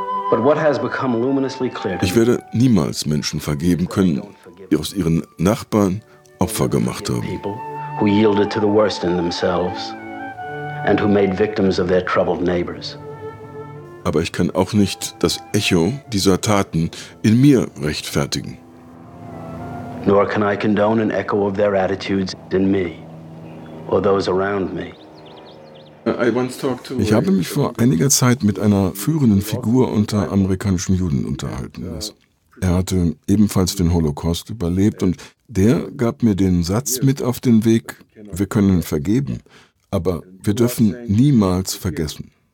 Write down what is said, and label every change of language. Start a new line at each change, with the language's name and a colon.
German: Ich werde niemals Menschen vergeben können, die aus ihren Nachbarn Opfer gemacht haben.
English: And who made victims of their troubled neighbors.
German: aber ich kann auch nicht das Echo dieser Taten in mir rechtfertigen.
English: Nor can I condone an echo of their attitudes in me or those around me.
German: Ich habe mich vor einiger Zeit mit einer führenden Figur unter amerikanischen Juden unterhalten lassen. Er hatte ebenfalls den Holocaust überlebt und der gab mir den Satz mit auf den Weg: Wir können vergeben, aber wir dürfen niemals vergessen.